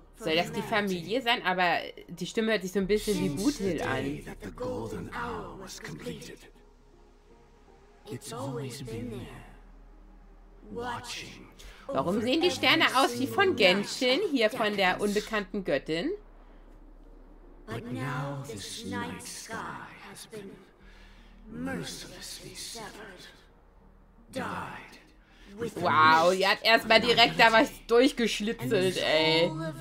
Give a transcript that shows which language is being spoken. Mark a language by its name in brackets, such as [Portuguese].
[German] Soll das die Familie sein? Aber die Stimme hört sich so ein bisschen wie Butil an. [English] That the golden hour was completed. It's always been there, watching. [German] Warum sehen die Sterne aus wie von Genshin, hier von der unbekannten Göttin? [English] But now this night sky has been mercilessly severed, dyed [German] Wow, die hat erstmal direkt da was durchgeschlitzelt, ey.